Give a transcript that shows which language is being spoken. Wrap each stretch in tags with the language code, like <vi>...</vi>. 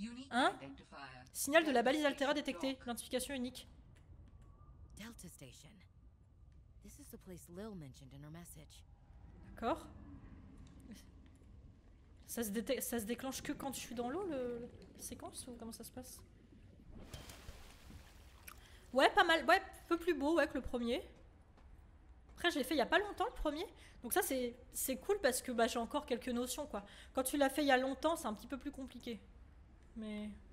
<fr>Hein? Signal de la balise Altera détecté. Identification unique. Delta Station.</fr> <en>This is the place Lil mentioned in her message.</en> <fr>D'accord. Ça se déclenche que quand je suis dans l'eau, la séquence, ou comment ça se passe? Ouais, pas mal. Ouais, un peu plus beau ouais, que le premier. Après, je l'ai fait il n'y a pas longtemps, le premier. Donc ça, c'est cool parce que bah, j'ai encore quelques notions, quoi. Quand tu l'as fait il y a longtemps, c'est un petit peu plus compliqué. Mais...</fr>